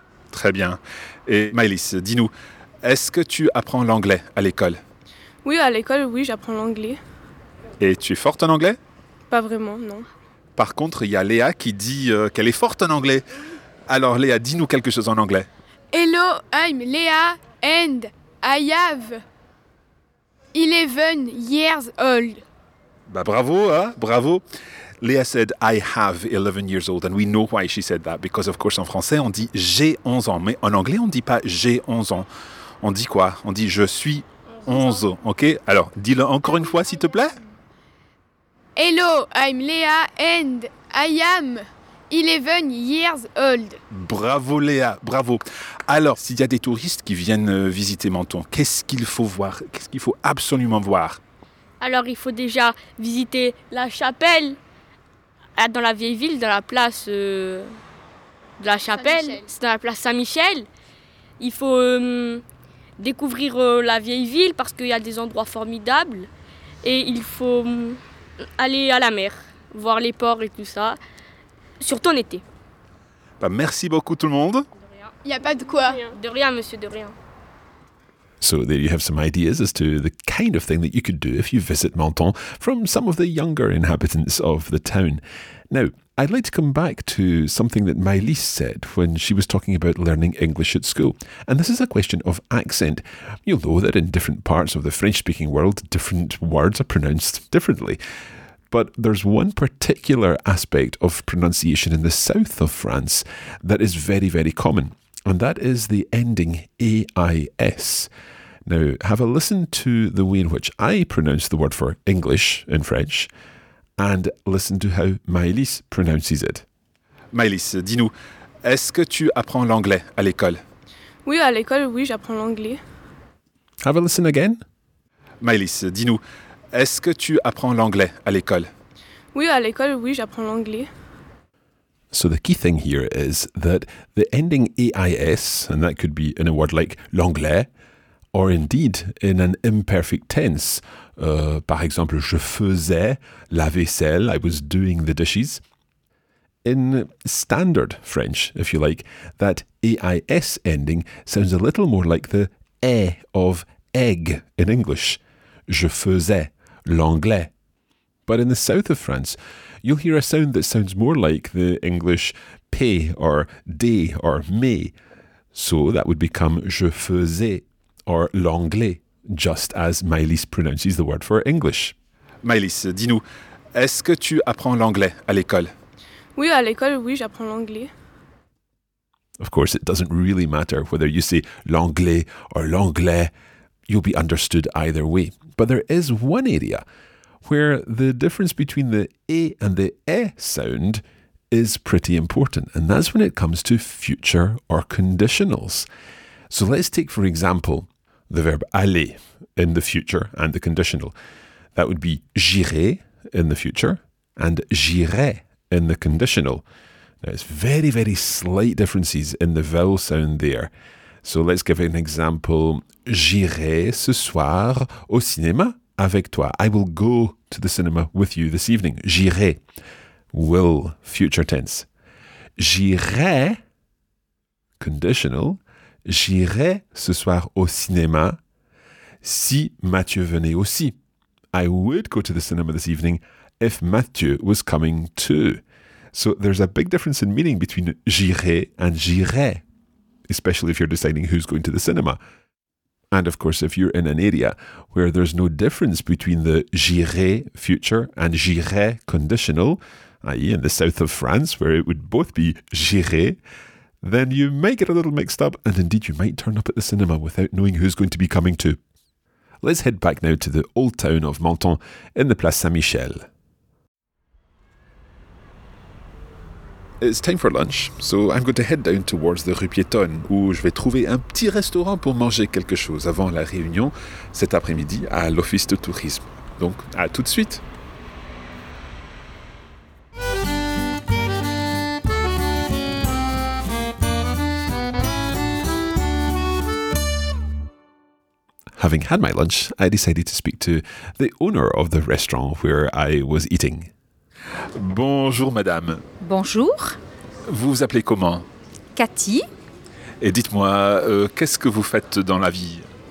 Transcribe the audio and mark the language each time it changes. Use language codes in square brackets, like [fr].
[fr] Très bien. Et Maëlys, dis-nous, est-ce que tu apprends l'anglais à l'école? Oui, à l'école, oui, j'apprends l'anglais. Et tu es forte en anglais? Pas vraiment, non. Par contre, il y a Léa qui dit qu'elle est forte en anglais. Alors Léa, dis-nous quelque chose en anglais. [en] Hello, I'm Léa and I have 11 years old. [fr] Bah bravo, hein, bravo. [en] Léa said, I have 11 years old, and we know why she said that, because of course, [fr] en français, on dit j'ai 11 ans, mais en anglais, on dit pas j'ai 11 ans. On dit quoi? On dit je suis 11, ok? Alors, dis-le encore une fois, s'il te plaît. [en] Hello, I'm Léa, and I am 11 years old. [fr] Bravo, Léa, bravo. Alors, s'il y a des touristes qui viennent visiter Menton, qu'est-ce qu'il faut voir? Qu'est-ce qu'il faut absolument voir? Alors, il faut déjà visiter la chapelle. Dans la vieille ville, dans la place de la chapelle, c'est dans la place Saint-Michel. Il faut découvrir la vieille ville parce qu'il y a des endroits formidables. Et il faut aller à la mer, voir les ports et tout ça, surtout en été. Bah, merci beaucoup tout le monde. Il n'y a pas de quoi. De rien, monsieur, de rien. [en] So there you have some ideas as to the kind of thing that you could do if you visit Menton from some of the younger inhabitants of the town. Now, I'd like to come back to something that Maëlys said when she was talking about learning English at school. And this is a question of accent. You'll know that in different parts of the French-speaking world, different words are pronounced differently. But there's one particular aspect of pronunciation in the south of France that is very, very common. And that is the ending A-I-S. Now, have a listen to the way in which I pronounce the word for English in French and listen to how Maëlys pronounces it. [fr] Maëlys, dis-nous, est-ce que tu apprends l'anglais à l'école? Oui, à l'école, oui, j'apprends l'anglais. [en] Have a listen again. [fr] Maëlys, dis-nous, est-ce que tu apprends l'anglais à l'école? Oui, à l'école, oui, j'apprends l'anglais. [en] So the key thing here is that the ending A-I-S, and that could be in a word like l'anglais, or indeed in an imperfect tense. [fr] Par exemple, je faisais la vaisselle, [en] I was doing the dishes. In standard French, if you like, that A-I-S ending sounds a little more like the E of egg in English. [fr] Je faisais l'anglais. [en] But in the south of France, you'll hear a sound that sounds more like the English pay or day or may. So that would become je faisais or l'anglais, just as Maëlys pronounces the word for English. [fr] Maëlys, dis-nous, est-ce que tu apprends l'anglais à l'école? Oui, à l'école, oui, j'apprends l'anglais. [en] Of course, it doesn't really matter whether you say l'anglais or l'anglais. You'll be understood either way. But there is one area where the difference between the E and the E sound is pretty important, and that's when it comes to future or conditionals. So let's take, for example, the verb aller in the future and the conditional. That would be j'irai in the future and j'irai in the conditional. Now, it's very, very slight differences in the vowel sound there. So let's give an example. [fr] J'irai ce soir au cinéma. Avec toi. [en] I will go to the cinema with you this evening. J'irai. Will, future tense. J'irai, conditional. [fr] J'irai ce soir au cinéma si Mathieu venait aussi. [en] I would go to the cinema this evening if Mathieu was coming too. So there's a big difference in meaning between j'irai and j'irai, especially if you're deciding who's going to the cinema. And of course, if you're in an area where there's no difference between the j'irai future and j'irai conditional, i.e. in the south of France, where it would both be j'irai, then you might get a little mixed up, and indeed you might turn up at the cinema without knowing who's going to be coming to. let's head back now to the old town of Menton in the Place Saint-Michel. It's time for lunch, so I'm going to head down towards the Rue Piétonne, [fr] où je vais trouver un petit restaurant pour manger quelque chose avant la réunion cet après-midi à l'office de tourisme. Donc, à tout de suite! [en] Having had my lunch, I decided to speak to the owner of the restaurant where I was eating. [fr] Bonjour, madame. Bonjour. Vous vous appelez comment? Cathy. Et dites-moi, qu'est-ce que vous faites dans la vie?